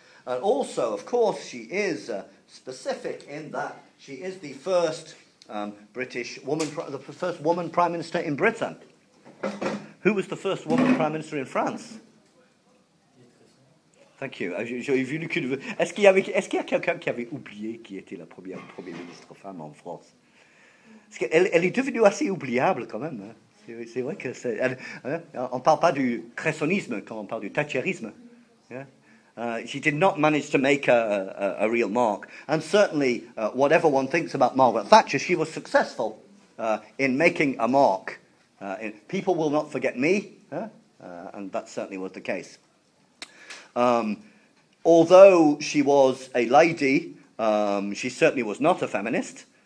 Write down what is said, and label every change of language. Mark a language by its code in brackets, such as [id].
[en] Also, of course, she is specific in that she is the first British woman, the first woman Prime Minister in Britain. Who was the first woman Prime Minister in France? Thank you. [fr] J'ai vu que est-ce qu'il y a quelqu'un qui avait oublié qui était la première Premier ministre femme en France? Parce qu'elle est devenue assez oubliable quand même. C'est vrai que c'est. On parle pas du cressonisme quand on parle du thatcherisme. [en] Yeah? She did not manage to make a real mark. And certainly, whatever one thinks about Margaret Thatcher, she was successful in making a mark. People will not forget me, and that certainly was the case. Although she was a lady, she certainly was not a feminist.